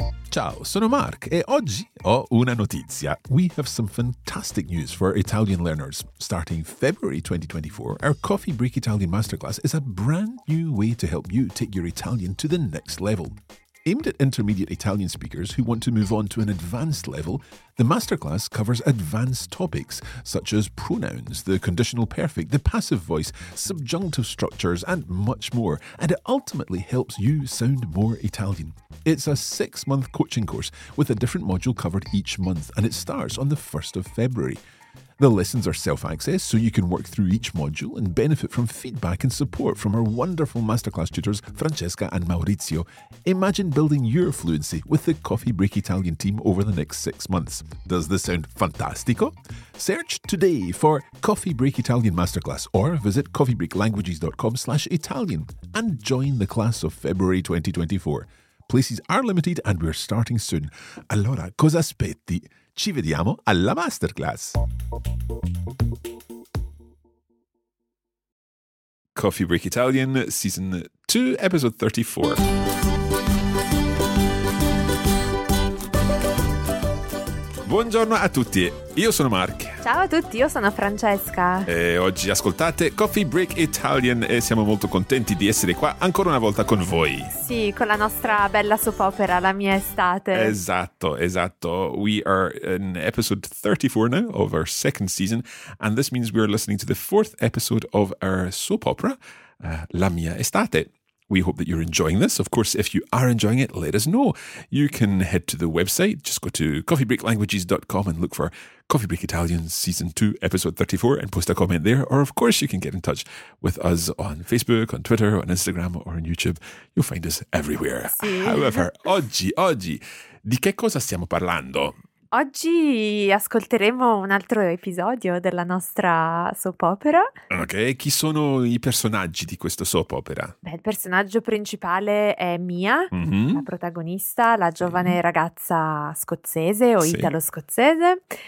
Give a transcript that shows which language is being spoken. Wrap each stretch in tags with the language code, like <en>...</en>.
<it>Ciao, sono Mark e oggi ho una notizia.</it> <en>We have some fantastic news for Italian learners. Starting February 2024, our Coffee Break Italian Masterclass is a brand new way to help you take your Italian to the next level. Aimed at intermediate Italian speakers who want to move on to an advanced level, the masterclass covers advanced topics such as pronouns, the conditional perfect, the passive voice, subjunctive structures, and much more, and it ultimately helps you sound more Italian. It's a six-month coaching course with a different module covered each month, and it starts on the 1st of February. The lessons are self-access, so you can work through each module and benefit from feedback and support from our wonderful masterclass tutors, Francesca and Maurizio. Imagine building your fluency with the Coffee Break Italian team over the next 6 months. Does this sound fantastico? Search today for Coffee Break Italian Masterclass or visit coffeebreaklanguages.com/Italian and join the class of February 2024. Places are limited and we're starting soon.</en> <it>Allora, cosa aspetti? Ci vediamo alla masterclass.</it> <en>Coffee Break Italian, Season 2, Episode 34.</en> <it>Buongiorno a tutti, io sono Mark. Ciao a tutti, io sono Francesca. E oggi ascoltate Coffee Break Italian e siamo molto contenti di essere qua ancora una volta con voi. Sì, con la nostra bella soap opera, la mia estate. Esatto, esatto.</it> <en>We are in episode 34 now of our second season and this means we are listening to the fourth episode of our soap opera, La mia estate. We hope that you're enjoying this. Of course, if you are enjoying it, let us know. You can head to the website. Just go to coffeebreaklanguages.com and look for Coffee Break Italian Season 2, Episode 34 and post a comment there. Or, of course, you can get in touch with us on Facebook, on Twitter, on Instagram or on YouTube. You'll find us everywhere.</en> <it>Sì. However, oggi, di che cosa stiamo parlando? Oggi ascolteremo un altro episodio della nostra soap opera. Ok, chi sono i personaggi di questa soap opera? Beh, il personaggio principale è Mia, la protagonista, la giovane ragazza scozzese o italo-scozzese.</it>